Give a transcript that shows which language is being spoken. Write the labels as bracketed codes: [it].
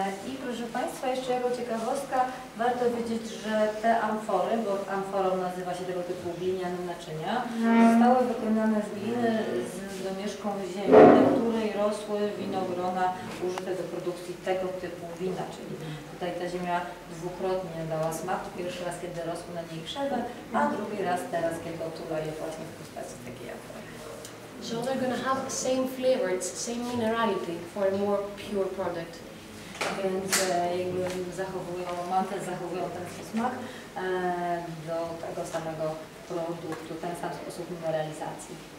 [pl] I proszę Państwa, jeszcze jako ciekawostka, warto wiedzieć, że te amfory, bo amforą nazywa się tego typu gliniane naczynia, zostały wykonane z gliny z domieszką ziemi, na której rosły winogrona użyte do produkcji tego typu wina, czyli tutaj ta ziemia dwukrotnie dała smak, pierwszy raz, kiedy rosły na niej krzewy, a drugi raz teraz, kiedy otula je właśnie w postaci takiej amfory. [en] So they're going to have the same flavor, it's the same minerality for a more pure product. [pl] Więc jego zachowują, mantel zachowują ten smak do tego samego produktu, ten sam sposób mineralizacji.